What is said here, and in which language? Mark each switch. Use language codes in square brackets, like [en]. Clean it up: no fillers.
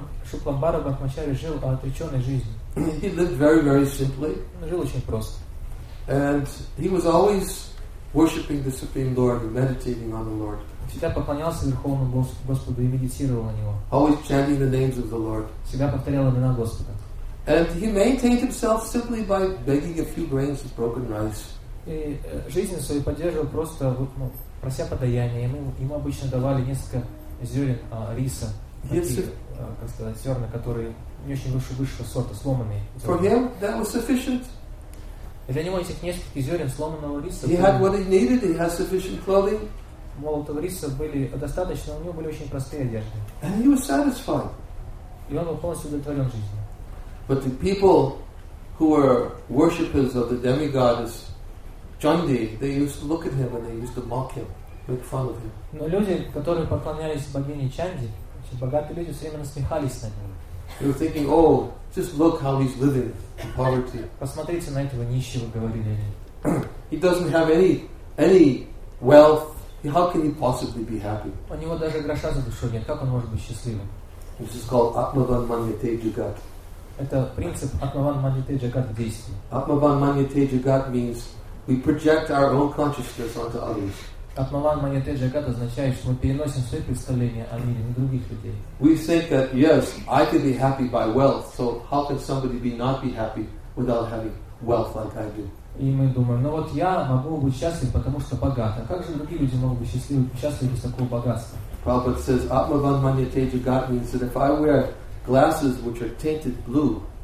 [ru] Шукамбара Брахмачари жил отреченной жизнью. [en] He lived very, very simply. [ru] Он жил очень просто. [en] And he was always worshipping the Supreme Lord and meditating on the Lord. [ru] Всегда поклонялся Верховному Господу и медитировал на Него. [en] Always chanting the names of the Lord. [ru] Всегда повторял имена Господа. [en] And he maintained himself simply by begging a few grains of broken rice. [ru] И жизнь свою поддерживал просто вот, ну, прося подаяния. Ему обычно давали несколько зерен риса, как сказать, зерна, которые не очень высшего сорта, сломанные. [en] For him, that was sufficient. [ru] И для него этих несколько зерен сломанного риса. [en] He had what he needed. He had sufficient clothing. [ru] Молотого риса были достаточно. У него были очень простые одежды. [en] And he was satisfied. [ru] И он был полностью удовлетворен жизнью. [en] But the people who were worshippers of the demigoddess Chandi, they used to look at him and they used to mock him, make fun of him. [ru] Но люди, которые поклонялись богине Чанди, очень богатые люди, все время насмехались над ним. [en] They were thinking, "Oh, just look how he's living in poverty." [ru] Посмотрите на этого нищего, говорили они. [en] He doesn't have any wealth. How can he possibly be happy? [ru] У него даже гроша за душой нет. Как он может быть счастливым? [en] This is called Atmavan Manyate Jagat. [ru] Это принцип Атмаван Маньяте Джагат в действии. [en] Атмаван Маньяте Джагат means we project our own consciousness onto others. [ru] Атмаван манете джагат означает, что мы переносим свои представления о мире на других людей. [en] We think that yes, I could be happy by wealth. So how could somebody be not be happy without having wealth like I do? [ru] И мы думаем, ну вот я могу быть счастлив, потому что богат. А как же другие люди могут быть счастливы, счастливы без такого богатства? [en] Prabhupada says, Atmavan manyate jagat means that if I wear glasses which are tinted blue,